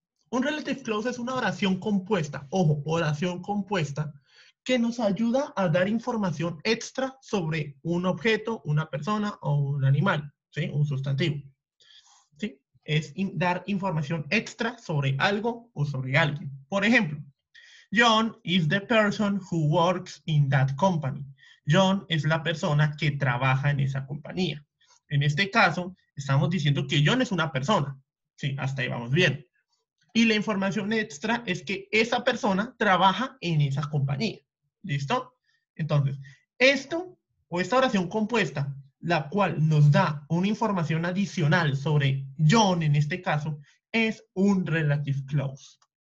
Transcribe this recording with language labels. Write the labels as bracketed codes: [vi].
[es] Un relative clause es una oración compuesta, ojo, oración compuesta, que nos ayuda a dar información extra sobre un objeto, una persona o un animal, ¿sí? Un sustantivo. ¿Sí? Es dar información extra sobre algo o sobre alguien. Por ejemplo, [en] John is the person who works in that company. [es] John es la persona que trabaja en esa compañía. En este caso, estamos diciendo que John es una persona. Sí, hasta ahí vamos bien. Y la información extra es que esa persona trabaja en esa compañía. ¿Listo? Entonces, esto o esta oración compuesta, la cual nos da una información adicional sobre John en este caso, es un relative clause.